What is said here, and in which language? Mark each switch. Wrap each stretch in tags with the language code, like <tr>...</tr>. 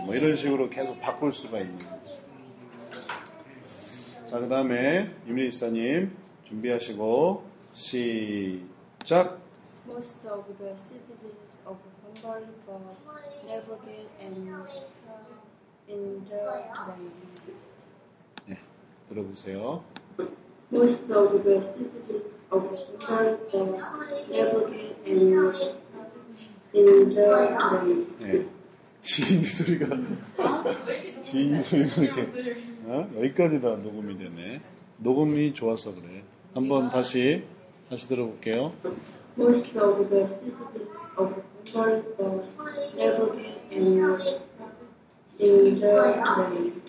<ko>뭐 이런 식으로 계속 바꿀 수가 있는 거예요. 자, 그 다음에 유민희 사님 준비하시고 시작.</ko> <en>Most of the citizens of Bumblebog never get any in the brain.</en> <ko>들어보세요.</ko> <en>Most of the citizens of Bumblebog never get any hair in their brain.</en> <ko>네. 지인 소리가 지인 소리가 이렇게 여기까지 다 녹음이 됐네. 녹음이 좋아서 그래. 한번 다시 들어볼게요.</ko> <en>Most of the citizens of Bumblebog never get any hair in their brain.</en>